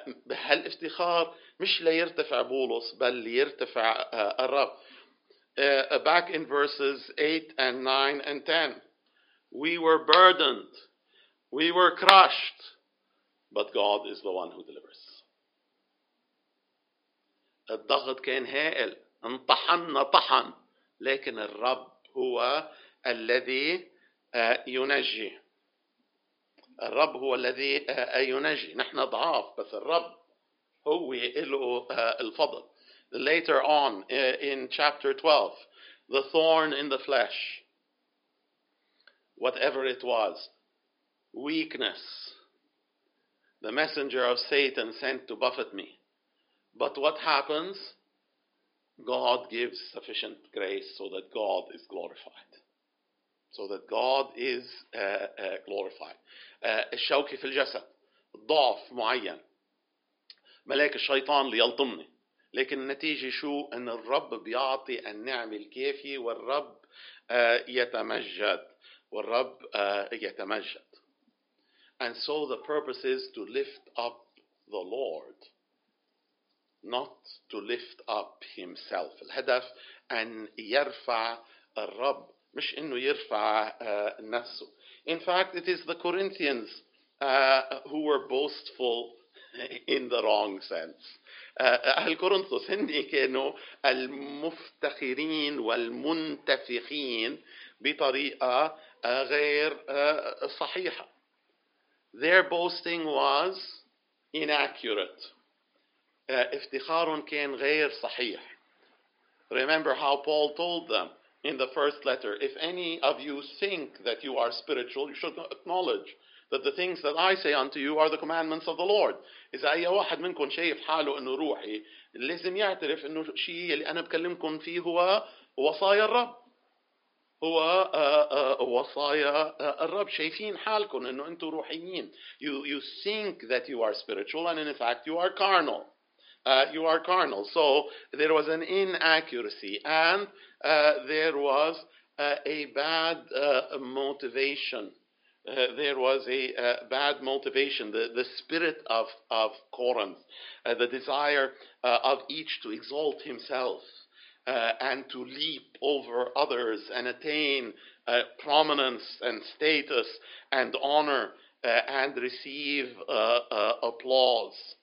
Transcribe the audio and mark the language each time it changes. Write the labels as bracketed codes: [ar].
[ar] هالافتخار مش ليرتفع بولس بل ليرتفع الرب. [en] Back in verses 8 and 9 and 10, we were burdened, we were crushed, but God is the one who delivers. [ar] الضغط كان هائل، انطحننا طحن، لكن الرب هو الذي ينجي. الرب هو الذي ينجي. نحن ضعاف بس الرب هو له الفضل. [en] Later on in chapter 12, the thorn in the flesh, whatever it was, weakness, the messenger of Satan sent to buffet me. But what happens? God gives sufficient grace so that God is glorified. So that God is glorified. [ar] الشوكة في الجسد ضعف معين ملاك الشيطان ليلطمني لكن النتيجة شو؟ أن الرب بيعطي النعم الكافية والرب يتمجد والرب يتمجد. [en] And so the purpose is to lift up the Lord, not to lift up himself. [ar] الهدف أن يرفع الرب مش إنه يرفع نفسه. [en] In fact, it is the Corinthians who were boastful in the wrong sense. [ar] أهل كورنثوس هن كانوا المفتخرين والمنتفخين بطريقة غير صحيحة. [en] Their boasting was inaccurate. [ar] افتخارهم كان غير صحيح. [en] Remember how Paul told them in the first letter, if any of you think that you are spiritual, you should acknowledge that the things that I say unto you are the commandments of the Lord. [ar] إذا أي واحد منكم شايف حاله إنه روحي لازم يعترف إنه الشيء اللي أنا بكلمكم فيه هو وصايا الرب. هو وصايا الرب. شايفين حالكم إنه أنتم روحيين. [en] You think that you are spiritual and in fact you are carnal. You are carnal. So there was an inaccuracy and there was a bad motivation. There was a bad motivation. The spirit of Corinth, the desire of each to exalt himself and to leap over others and attain prominence and status and honor and receive applause.